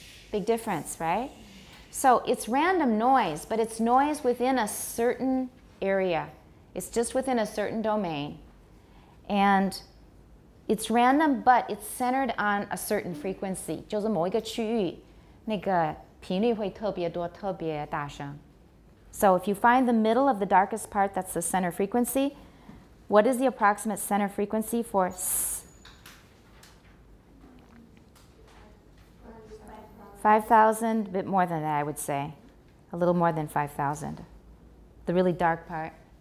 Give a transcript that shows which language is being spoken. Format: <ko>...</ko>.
<en>Big difference, right? So it's random noise, but it's noise within a certain area. It's just within a certain domain. And it's random, but it's centered on a certain frequency.</en> <zh>就是某一个区域，那个频率会特别多，特别大声。</zh> <en>So if you find the middle of the darkest part, that's the center frequency. What is the approximate center frequency for s? 5,000, a bit more than that, I would say. A little more than 5,000. The really dark part.</en>